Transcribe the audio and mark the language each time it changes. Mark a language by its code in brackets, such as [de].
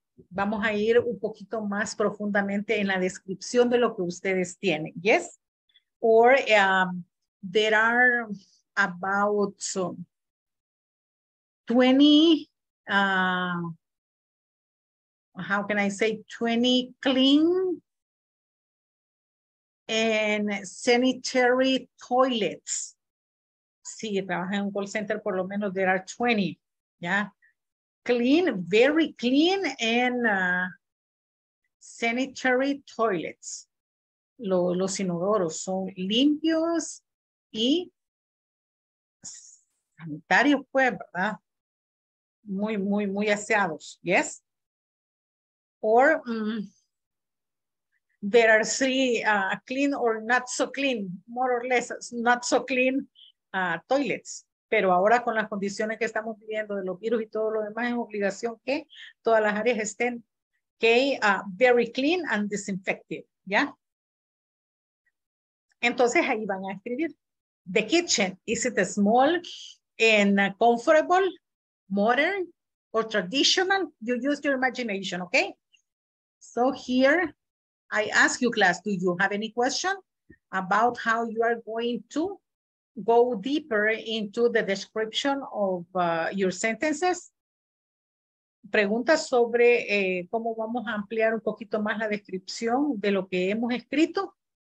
[es] Vamos a ir un poquito más profundamente en la descripción de lo que ustedes tienen, ¿yes? [en] Or there are about 20 clean and sanitary toilets. [es] Sí, trabaja en un call center, por lo menos [en] there are 20. [es] Yeah. [en] Clean, very clean, and sanitary toilets. [es] Los inodoros son limpios y sanitarios, pues, ¿verdad? Muy, muy, muy aseados. Yes. [en] Or, there are three clean or not so clean, more or less not so clean toilets. [es] Pero ahora con las condiciones que estamos viviendo de los virus y todo lo demás, es obligación que todas las áreas estén [en] very clean and disinfected, [es] ¿ya? Entonces ahí van a escribir. [en] The kitchen, is it small and comfortable, modern or traditional? You use your imagination, okay? So here, I ask you, class, do you have any question about how you are going to go deeper into the description of your sentences? [es] Preguntas sobre cómo vamos a ampliar un poquito más la descripción de lo que hemos escrito.